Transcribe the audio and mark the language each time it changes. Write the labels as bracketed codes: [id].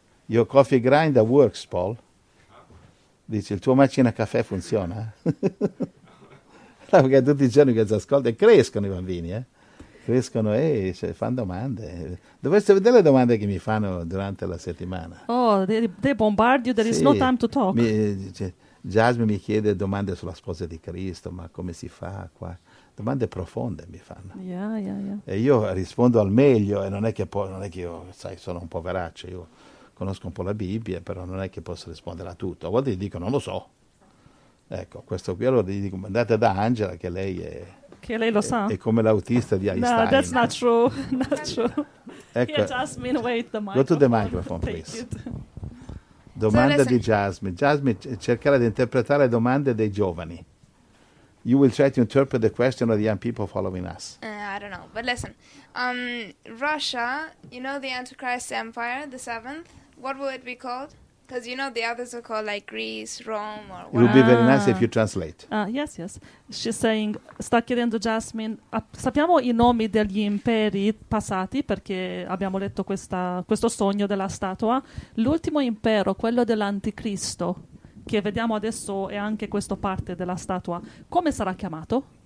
[en] Your coffee grinder works, Paul. [it] Dice, il tuo macina caffè funziona? Perché tutti i giorni che ci ascolta, crescono i bambini, Crescono e fanno domande. Dovreste vedere le domande che mi fanno durante la settimana. [en] Oh, they bombard you, there is no time to talk. [it] Jasmine mi chiede domande sulla sposa di Cristo, ma come si fa qua? Domande profonde mi fanno. [en] Yeah. [it] E io rispondo al meglio, e non è che io, sai, sono un poveraccio, io conosco un po' la Bibbia, però non è che posso rispondere a tutto. A volte gli dico, non lo so. Ecco, questo qui, allora gli dico, andate da Angela, che lei è... Che lei lo sa. È come l'autista di Einstein. [en] No, that's not true. Not true. Ecco. Yeah, Jasmine, wait the microphone. Go to the microphone, please. Take it. [it] Domanda di Jasmine. Jasmine, cercherà di interpretare le domande dei giovani. [en] You will try to interpret the question of the young people following us. I don't know, but listen. Russia, you know the Antichrist Empire, the 7th? What will it be called? Because you know the others are called like Greece, Rome, or whatever. It would be very nice if you translate. Yes. She's saying, [it] sta chiedendo Jasmine, sappiamo i nomi degli imperi passati, perché abbiamo letto questo sogno della statua. L'ultimo impero, quello dell'Anticristo, che vediamo adesso è anche questo parte della statua, come sarà chiamato?